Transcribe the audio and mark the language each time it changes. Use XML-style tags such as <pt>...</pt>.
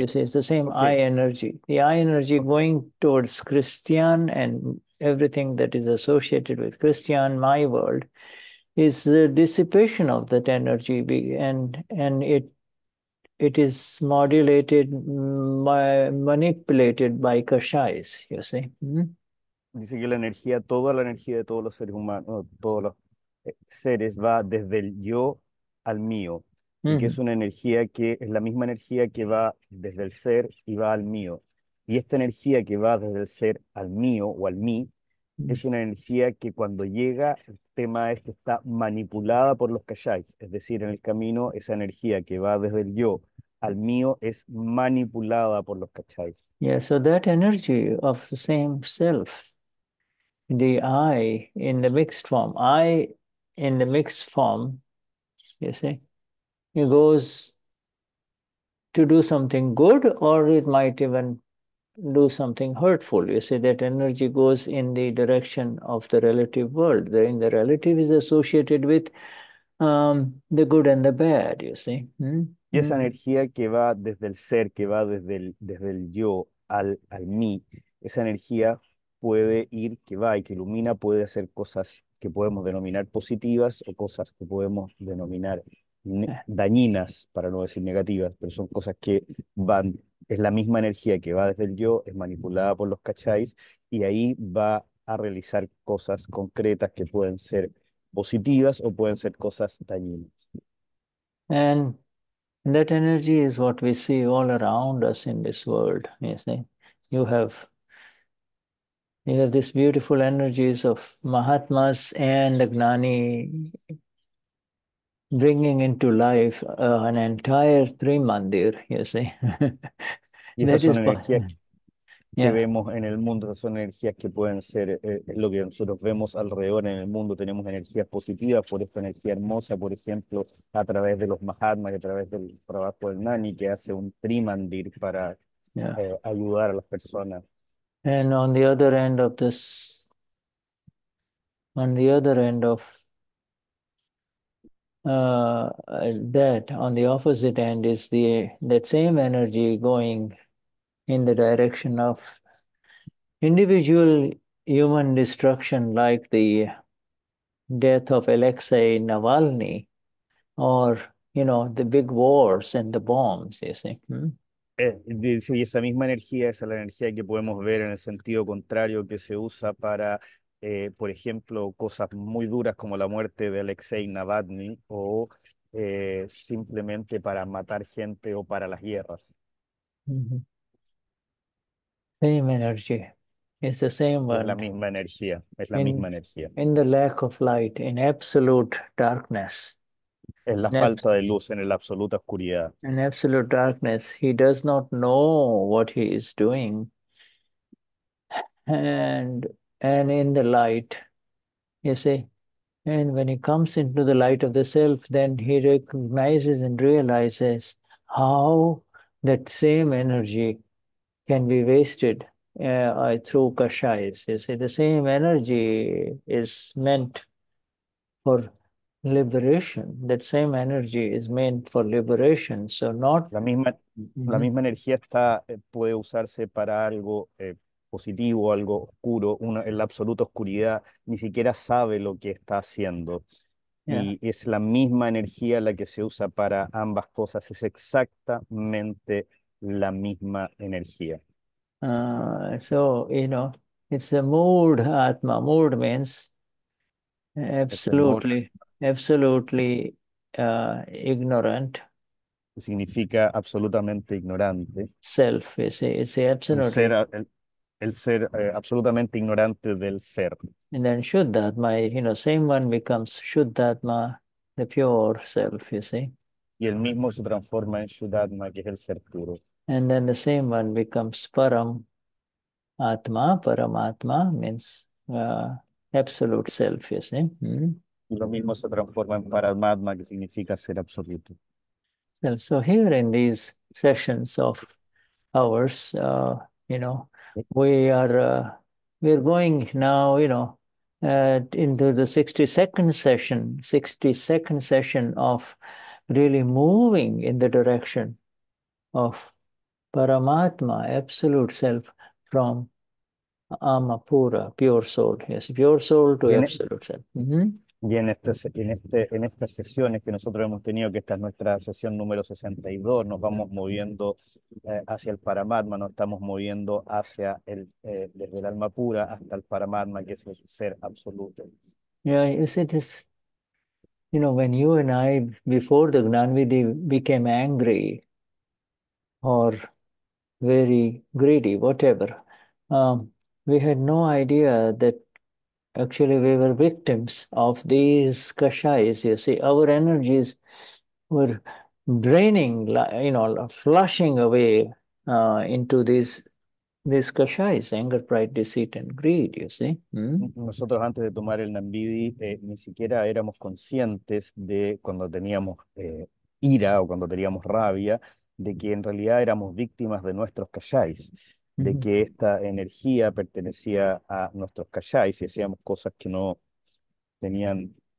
<en>This is the same I energy. The I energy going towards Cristian and everything that is associated with Cristian, my world, is the dissipation of that energy, and it is modulated by manipulated by kashais, you see.</en> <es>Dice que la energía, toda la energía de todos los seres humanos, todos los seres, va desde el yo al mío. Mm-hmm. Y que es una energía que es la misma energía que va desde el ser y va al mío. Y esta energía que va desde el ser al mío o al mí, mm-hmm. es una energía que cuando llega, el tema es que está manipulada por los kashais. Es decir, en el camino, esa energía que va desde el yo al mío es manipulada por los kashais.</es> <en>Yeah, so that energy of the same self, the I in the mixed form, I in the mixed form, you see, it goes to do something good, or it might even do something hurtful. You see, that energy goes in the direction of the relative world. The, in the relative is associated with the good and the bad, you see.</en> <es>Y esa energía que va desde el ser, que va desde el yo al mí, esa energía puede ir, que va y que ilumina, puede hacer cosas que podemos denominar positivas o cosas que podemos denominar dañinas, para no decir negativas, pero son cosas que van, es la misma energía que va desde el yo, es manipulada por los cachais, y ahí va a realizar cosas concretas que pueden ser positivas o pueden ser cosas dañinas.</es> <en>And that energy is what we see all around us in this world, you see. You have these beautiful energies of Mahatmas and Gnani bringing into life an entire three mandir, you see. That is possible. Que yeah.</en> <es>vemos en el mundo, son energías que pueden ser lo que nosotros vemos alrededor en el mundo. Tenemos energías positivas por esta energía hermosa, por ejemplo, a través de los Mahatmas y a través del trabajo del Nani, que hace un Trimandir para ayudar a las personas.</es> <en>And on the other end of this, on the other end of that, on the opposite end is the that same energy going in the direction of individual human destruction, like the death of Alexei Navalny, or, you know, the big wars and the bombs, you see.</en> <es>Y esa misma energía, esa es la energía que podemos ver en el sentido contrario, que se usa para, por ejemplo, cosas muy duras como la muerte de Alexei Navalny, o simplemente para matar gente o para las guerras.</es> <en>Mm-hmm. Same energy. It's the same one.</en> <es>Es la misma energía. Es la misma energía.</es> <en>In the lack of light, in absolute darkness.</en> <es>Es la falta de luz en la absoluta oscuridad.</es> <en>In absolute darkness, he does not know what he is doing. And in the light, you see, and when he comes into the light of the self, then he recognizes and realizes how that same energy can be wasted through kashais. You see, the same energy is meant for liberation. That same energy is meant for liberation. So not</en> <es>la misma mm-hmm. la misma energía está puede usarse para algo positivo, algo oscuro. Una en la absoluta oscuridad ni siquiera sabe lo que está haciendo. Y es la misma energía la que se usa para ambas cosas. Es exactamente la misma energía.</es> <en>So, you know, it's a mood, Atma. Mood means absolutely, absolutely ignorant.</en> <es>Significa absolutamente ignorante.</es> <en>Self, you see, it's absolutely.</en> <es>El ser absolutamente ignorante del ser.</es> <en>And then Shuddhatma, you know, same one becomes Shuddhatma, the pure self, you see.</en> <es>Y el mismo se transforma en Shuddhatma, que es el ser puro.</es> <en>And then the same one becomes Param Atma. Param Atma means absolute self, you see. Mm-hmm.</en> <es>Y lo mismo se transforma en Paramatma, que significa ser absoluto.</es> <en>So here in these sessions of ours, you know, we're going now, you know, into the 62nd session of really moving in the direction of Paramatma, Absolute Self, from Amapura, pure soul. Yes, pure soul to Absolute Self.</en> <es>Y en estas sesiones que nosotros hemos tenido, que esta es nuestra sesión número 62, nos vamos moviendo hacia el Paramatma, nos estamos moviendo hacia el desde el alma pura hasta el Paramatma, que es el ser absoluto.</es> <en>Yeah, is it this, you know, when you and I, before the Gnanvidhi, became angry or very greedy, whatever, we had no idea that actually we were victims of these kashayas. You see, our energies were draining, you know, flushing away into these kashayas, anger, pride, deceit, and greed, you see.</en> <es>Nosotros antes de tomar el Nambidi ni siquiera éramos conscientes de cuando teníamos ira o cuando teníamos rabia, de que en realidad éramos víctimas de nuestros kashayas, de que esta energía pertenecía a nuestros kashayas y hacíamos cosas que no tenían.</es>